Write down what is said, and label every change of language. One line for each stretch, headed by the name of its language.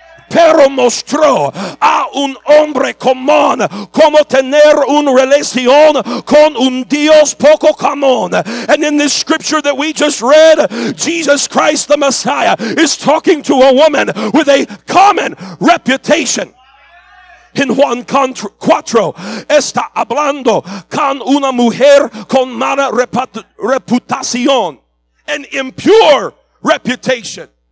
Spanish: Pero mostró a un hombre común cómo tener una relación con un Dios poco común.
English: And in this scripture that we just read, Jesus Christ the Messiah is talking to a woman with a common reputation.
Spanish: En Juan 4, está hablando con una mujer con mala reputación,
English: an impure reputation.